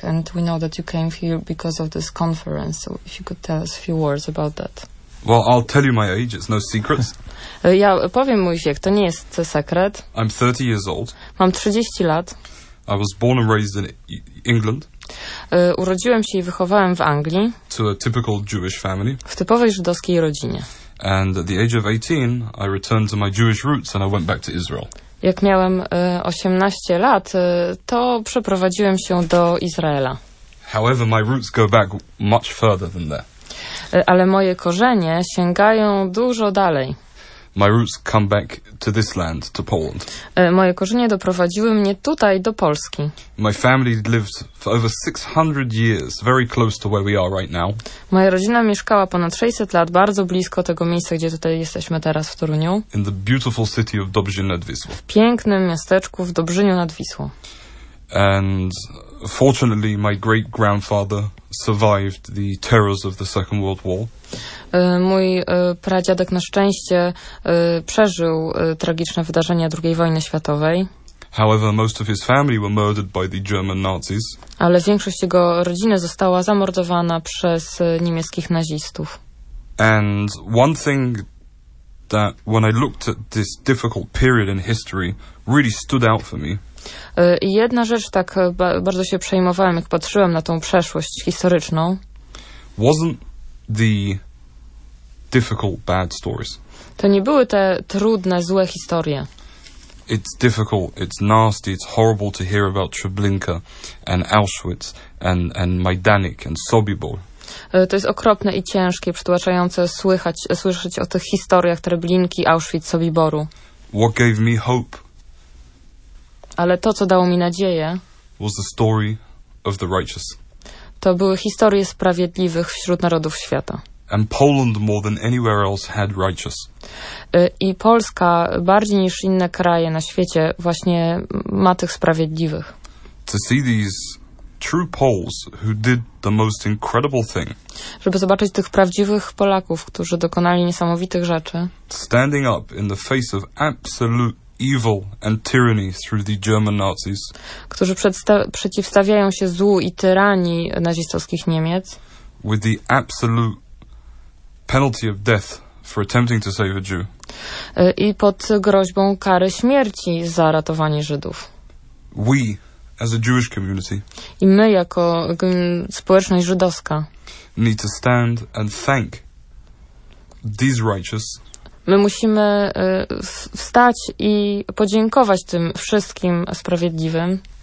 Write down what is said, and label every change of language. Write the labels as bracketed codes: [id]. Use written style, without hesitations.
[en] And we know that you came here because of this conference, so if you could tell us a few words about that. Well, I'll tell you my age. It's no secret. [pl] Ja powiem mój wiek. To nie jest sekret. [en] I'm 30 years old. [pl] Mam 30 lat. [en] I was born and raised in England. [pl] Urodziłem się i wychowałem w Anglii. [en] To a typical Jewish family. [pl] W typowej żydowskiej rodzinie. [en] And at the age of 18, I returned to my Jewish roots and I went back to Israel. [pl] Jak miałem 18 lat, to przeprowadziłem się do Izraela. [en] However, my roots go back much further than that. [pl] Ale moje korzenie sięgają dużo dalej. [en] My roots come back to this land, to Poland. [pl] Moje korzenie doprowadziły mnie tutaj, do Polski. [en] My family lived for over 600 years, very close to where we are right now. [pl] Moja rodzina mieszkała ponad 600 lat, bardzo blisko tego miejsca, gdzie tutaj jesteśmy teraz, w Toruniu. [en] In the beautiful city of Dobrzyń nad Wisłą. [pl] W pięknym miasteczku w Dobrzyniu nad Wisłą. [en] And fortunately, my great-grandfather survived the terrors of the Second World War. [pl] Mój pradziadek na szczęście przeżył tragiczne wydarzenia II wojny światowej. [en] However, most of his family were murdered by the German Nazis. [pl] Ale większość jego rodziny została zamordowana przez niemieckich nazistów. [en] And one thing that when I looked at this difficult period in history really stood out for me. [pl] I jedna rzecz, tak bardzo się przejmowałem, jak patrzyłem na tą przeszłość historyczną. [en] Wasn't the difficult bad stories. [pl] To nie były te trudne, złe historie. [en] It's difficult, it's nasty, it's horrible to hear about Treblinka and Auschwitz and Majdanek and Sobibor. [pl] To jest okropne i ciężkie, przytłaczające słyszeć o tych historiach Treblinki, Auschwitz, Sobiboru. [en] What gave me hope? [pl] Ale to, co dało mi nadzieję, [en] was the story of the righteous. [pl] To były historie sprawiedliwych wśród narodów świata. [en] And Poland more than anywhere else had righteous. [pl] I Polska bardziej niż inne kraje na świecie właśnie ma tych sprawiedliwych. [en] To see these true Poles who did the most incredible thing. [pl] Żeby zobaczyć tych prawdziwych Polaków, którzy dokonali niesamowitych rzeczy. [en] Standing up in the face of absolute evil and tyranny through the German Nazis. [pl] Którzy przeciwstawiają się złu i tyranii nazistowskich Niemiec. [en] With the absolute penalty of death for attempting to save a Jew. [pl] I pod groźbą kary śmierci za ratowanie Żydów. [en] We, as a Jewish community, [pl] i my jako społeczność żydowska, [en] need to stand and thank these righteous. [pl] My musimy wstać i podziękować tym wszystkim sprawiedliwym.